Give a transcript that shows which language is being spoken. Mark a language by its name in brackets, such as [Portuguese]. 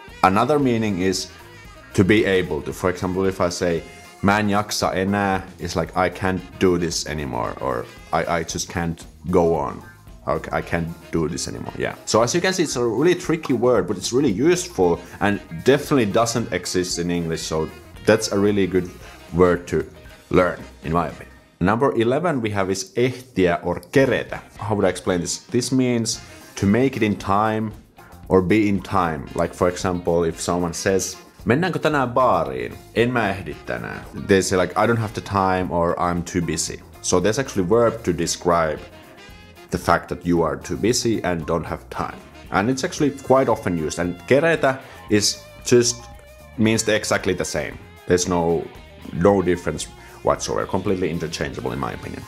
[English] Another meaning is to be able to. For example, if I say [Finnish] mä en jaksa enää, [English] it's like I can't do this anymore, or I just can't go on. I can't do this anymore, yeah. So as you can see, it's a really tricky word, but it's really useful and definitely doesn't exist in English. So that's a really good word to learn, in my opinion. Number 11 we have is ehtiä or keretä. How would I explain this? This means to make it in time or be in time. Like for example, if someone says [Finnish] mennäänkö tänään baariin? En mä ehdi tänään. [English] They say like, I don't have the time or I'm too busy. So there's actually a verb to describe the fact that you are too busy and don't have time. And it's actually quite often used. And keretä is just means exactly the same. There's no difference whatsoever. Completely interchangeable in my opinion.